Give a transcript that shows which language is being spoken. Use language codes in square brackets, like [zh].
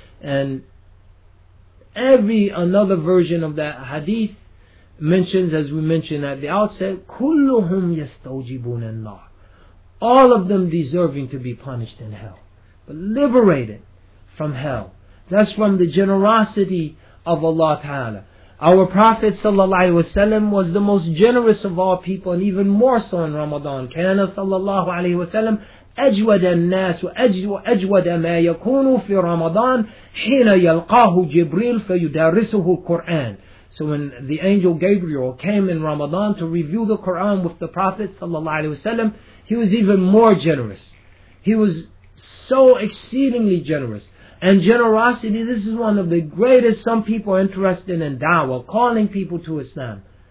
[en] And another version of that hadith mentions, as we mentioned at the outset, [ar] كُلُّهُمْ يَسْتَوْجِبُونَ النَّارِ. [en] All of them deserving to be punished in hell, but liberated from hell. That's from the generosity of Allah Ta'ala. Our Prophet sallallahu alaihi wasallam was the most generous of all people, and even more so in Ramadan. [ar] كَانَ sallallahu alaihi wasallam أجود الناس وأجود ما يكون في رمضان حين يلقاه جبريل فيدارسه القرآن. [en] So when the angel Gabriel came in Ramadan to review the Quran with the Prophet sallallahu alaihi wasallam, he was even more generous. He was so exceedingly generous. And generosity, this is one of the greatest, some people are interested in da'wah, calling people to Islam.